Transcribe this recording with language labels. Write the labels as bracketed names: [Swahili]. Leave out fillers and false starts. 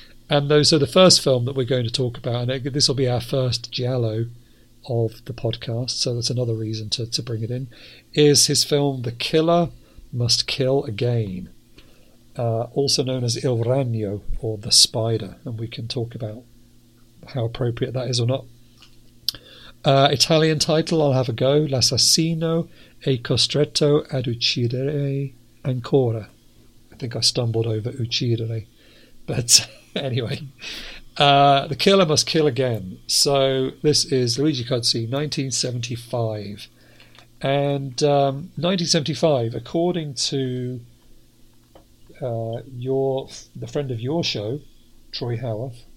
[English] So the first film that we're going to talk about, and this will be our first giallo of the podcast, so that's another reason to bring it in, is his film The Killer Must Kill Again, also known as Il Ragno, or The Spider, and we can talk about how appropriate that is or not. Italian title, I'll have a go, [Italian] L'Assassino è costretto ad uccidere ancora. [English] I think I stumbled over uccidere, but anyway, The Killer Must Kill Again. So this is Luigi Cozzi, 1975. And 1975, according to the friend of your show, Troy Howarth,